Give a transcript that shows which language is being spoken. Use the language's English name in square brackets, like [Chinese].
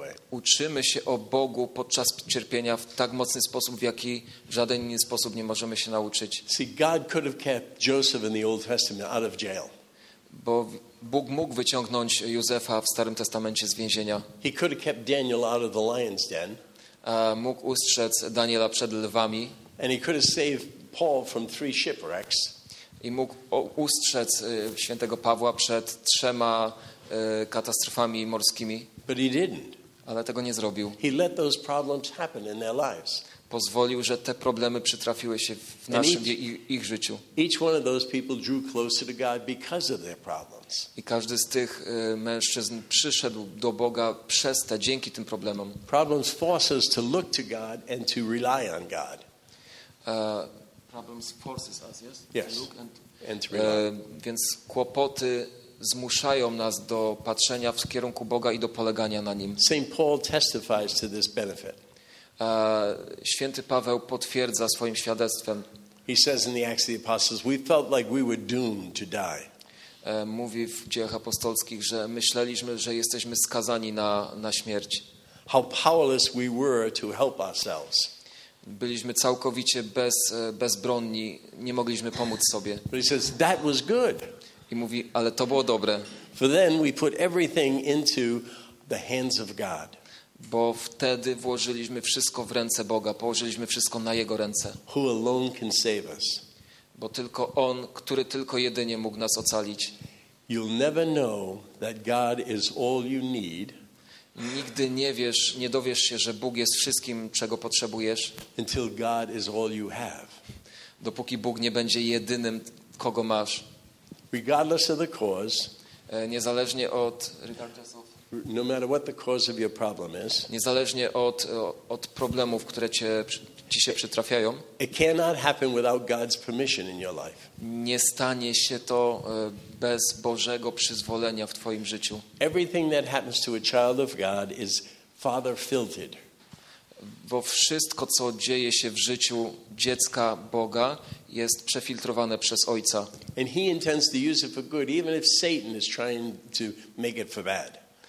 [Polish] Uczymy się o Bogu podczas cierpienia w tak mocny sposób, w jaki w żaden inny sposób nie możemy się nauczyć. [English] See, God could have kept Joseph in the Old Testament out of jail. [Polish] Bo Bóg mógł wyciągnąć Józefa w Starym Testamencie z więzienia. [English] He could have kept Daniel out of the lion's den. [Polish] Mógł ustrzec Daniela przed lwami. [English] And he could have saved Paul from three shipwrecks. [Polish] I mógł ustrzec świętego Pawła przed trzema katastrofami morskimi. [English] But he didn't. [Polish] Ale tego nie zrobił. [English] He let those problems happen in their lives. [Polish] Pozwolił, że te problemy przytrafiły się w naszym ich życiu. [English] Each one of those people drew closer to God because of their problems. [Polish] I każdy z tych mężczyzn przyszedł do Boga przez te, dzięki tym problemom. [English] Problems force us to look to God and to rely on God. Problems forces us, yes? Yes. To look and to rely. [Polish] Więc kłopoty zmuszają nas do patrzenia w kierunku Boga i do polegania na Nim. [English] Saint Paul testifies to this benefit. [Polish] Święty Paweł potwierdza swoim świadectwem. [English] He says in the Acts of the Apostles, we felt like we were doomed to die. [Polish] Mówi w Dziejach Apostolskich, że myśleliśmy, że jesteśmy skazani na śmierć. [English] How powerless we were to help ourselves. [Polish] Byliśmy całkowicie bezbronni, nie mogliśmy pomóc sobie. [English] But he says, that was good. [Polish] I mówi, ale to było dobre. [English] For then we put everything into the hands of God. [Polish] Bo wtedy włożyliśmy wszystko w ręce Boga, położyliśmy wszystko na Jego ręce. [English] Who alone can save us. [Polish] Bo tylko On, który tylko jedynie mógł nas ocalić. [English] You'll never know that God is all you need. [Polish] Nigdy nie wiesz, nie dowiesz się, że Bóg jest wszystkim, czego potrzebujesz. [English] Until God is all you have. [Polish] Dopóki Bóg nie będzie jedynym, kogo masz. [English] Regardless of the cause, [Polish] niezależnie od [English] No matter what the cause of your problem is. [Polish] Niezależnie od problemów, które ci się przytrafiają. [English] It cannot happen without God's permission in your life. [Polish] Nie stanie się to bez Bożego przyzwolenia w twoim życiu. [English] Everything that happens to a child of God is father filtered. [Polish] Bo wszystko, co dzieje się w życiu dziecka Boga, jest przefiltrowane przez Ojca. [English] And he intends to use it for good, even if Satan is trying to make it for bad.